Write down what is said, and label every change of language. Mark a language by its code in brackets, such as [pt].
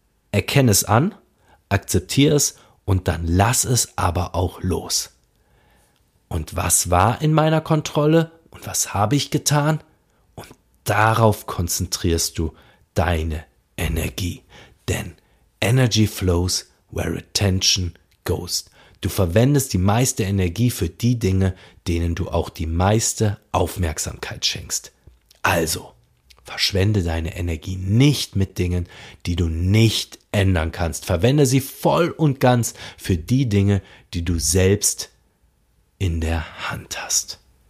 [de] Erkenne es an, akzeptiere es und dann lass es aber auch los. Und was war in meiner Kontrolle und was habe ich getan? Und darauf konzentrierst du deine Energie. [en] Denn Energy flows where attention goes. [de] Du verwendest die meiste Energie für die Dinge, denen du auch die meiste Aufmerksamkeit schenkst. Also, verschwende deine Energie nicht mit Dingen, die du nicht ändern kannst. Verwende sie voll und ganz für die Dinge, die du selbst in der Hand hast.